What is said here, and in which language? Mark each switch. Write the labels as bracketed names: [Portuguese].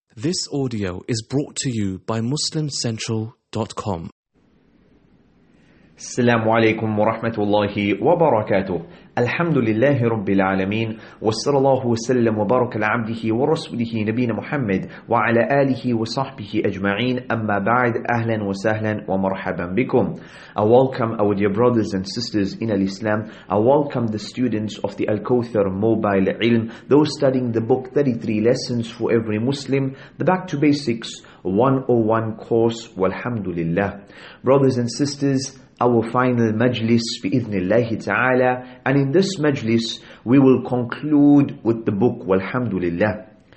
[English] This audio is brought to you by MuslimCentral.com. [Arabic] السلام عليكم ورحمة الله وبركاته. الحمد لله رب العالمين، والصلاة الله وسلم وبارك لعبده ورسوله نبينا محمد وعلى آله وصحبه أجمعين. أما بعد، أهلا وسهلا ومرحبا بكم. [English] I welcome our dear brothers and sisters in Islam. I welcome the students of the Al-Kawthar Mobile Ilm, those studying the book 33 Lessons for Every Muslim, the Back to Basics 101 course. [Arabic] والحمد لله. [English] Brothers and sisters, our final majlis bi-idhnillahi ta'ala, and in this majlis we will conclude with the book walhamdulillah.